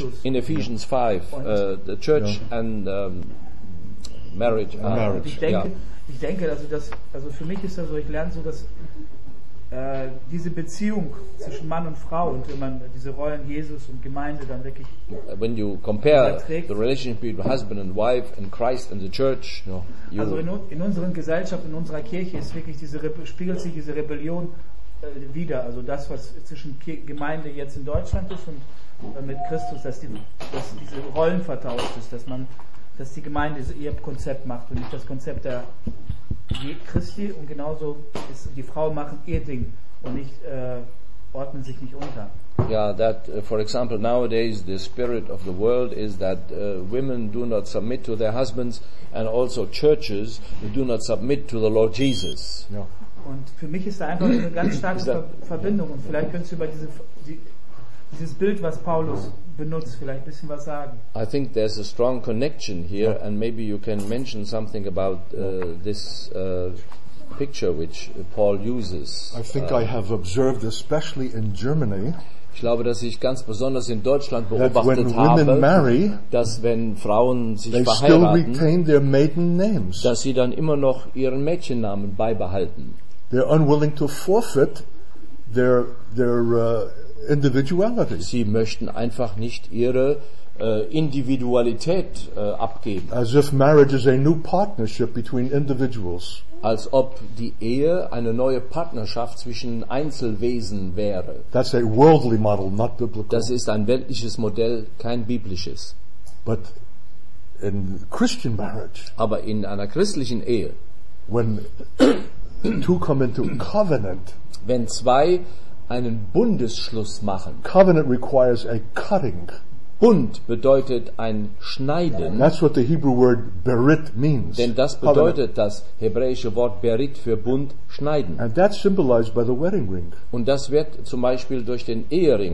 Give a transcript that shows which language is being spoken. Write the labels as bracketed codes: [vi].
[de] Christus. [en] In Ephesians 5 the church and marriage. Marriage. [de] Ich denke, also das, also für mich ist das so. Ich lerne so, dass diese Beziehung zwischen Mann und Frau und wenn man diese Rollen Jesus und Gemeinde dann wirklich [en] when you compare the relationship between husband and wife and Christ and the church, you know, [de] also in unserer Gesellschaft, in unserer Kirche ist wirklich diese spiegelt sich diese Rebellion wieder, also das, was zwischen Gemeinde jetzt in Deutschland ist und mit Christus, dass diese Rollen vertauscht ist, dass die Gemeinde ihr Konzept macht und nicht das Konzept der Christi, und genauso ist die Frauen machen ihr Ding und nicht ordnen sich nicht unter. [en] Yeah, that for example nowadays the spirit of the world is that women do not submit to their husbands and also churches do not submit to the Lord Jesus. Yeah. [de] Und für mich ist da einfach eine ganz starke Verbindung und vielleicht könntest du über dieses Bild, was Paulus benutzt, vielleicht ein bisschen was sagen. [en] I think there's a strong connection here and maybe you can mention something about this picture which Paul uses. I think I have observed, especially in Germany, [de] ich glaube, dass ich ganz besonders in Deutschland beobachtet [en] when women [de] habe, [en] marry, [de] dass wenn Frauen sich [en] they [de] verheiraten, [en] still retain their maiden names. [de] Dass sie dann immer noch ihren Mädchennamen beibehalten. [en] They're unwilling to forfeit their individuality. [de] Sie möchten einfach nicht ihre Individualität abgeben. [en] As if marriage is a new partnership between individuals. [de] Als ob die Ehe eine neue Partnerschaft zwischen Einzelwesen wäre. [en] That's a worldly model, not biblical. [de] Das ist ein weltliches Modell, kein biblisches. [en] But in Christian marriage, [de] aber in einer christlichen Ehe, [en] when two come into covenant, [de] wenn zwei einen Bundesschluss machen, [en] covenant requires a cutting. [de] Bund bedeutet ein Schneiden. [en] And that's what the Hebrew word berit means. [de] Denn das bedeutet das hebräische Wort berit für Bund, Schneiden. [en] And that's symbolized by the wedding ring. [de] Und das wird zum Beispiel durch den Ehering